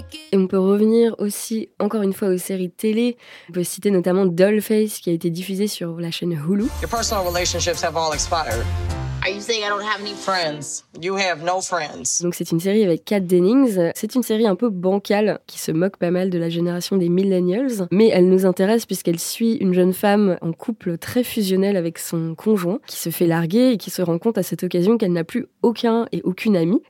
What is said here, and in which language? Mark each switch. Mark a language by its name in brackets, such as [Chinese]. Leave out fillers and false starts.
[French] Et on peut revenir aussi, encore une fois, aux séries télé. On peut citer notamment Dollface, qui a été diffusée sur la chaîne Hulu. [English] Your personal relationships have all expired. Are you saying I don't have any friends? You have no friends. [French] Donc c'est une série avec Kat Dennings. C'est une série un peu bancale, qui se moque pas mal de la génération des millennials. Mais elle nous intéresse puisqu'elle suit une jeune femme en couple très fusionnel avec son conjoint, qui se fait larguer et qui se rend compte à cette occasion qu'elle n'a plus aucun et aucune amie.